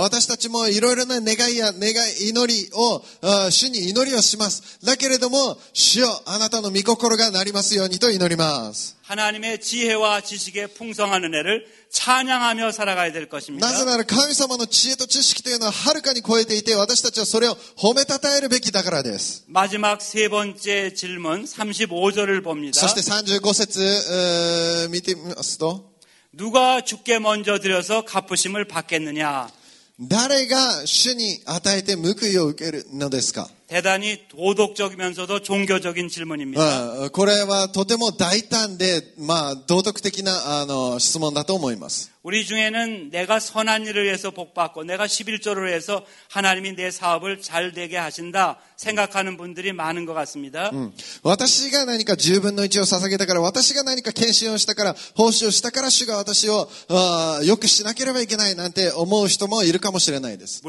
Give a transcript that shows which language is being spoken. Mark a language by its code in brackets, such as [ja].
[ja] 私たちもいろいろな願いや願い祈りを主に祈りをしますだけれども主よあなたの御心がなりますようにと祈ります [ko] 하나님의지혜와지식에풍성한은혜를찬양하며살아가야될것입니다 [ja] なぜなら神様の知恵と知識というのははるかに超えていて私たちはそれを褒めたたえるべきだからです [ko] 마지막세번째질문35절을봅니다 [ja] そして35節見てみますと [ko] 누가주께먼저드려서갚으심을받겠느냐 [ja] 誰が主に与えて報いを受けるのですか [ko] 대단히도덕적이면서도종교적인질문입니다 [ja] これはとても大胆で、まあ、道徳的な質問だと思います [ko] 우리중에는내가선한일을해서복받고내가11조를해서하나님이내사업을잘되게하신다생각하는분들이많은것같습니다 [ja] 私が何か10分の1を捧げたから私が何か献身をしたから奉仕をしたから主が私を良くしなければいけないなんて思う人もいるかもしれないです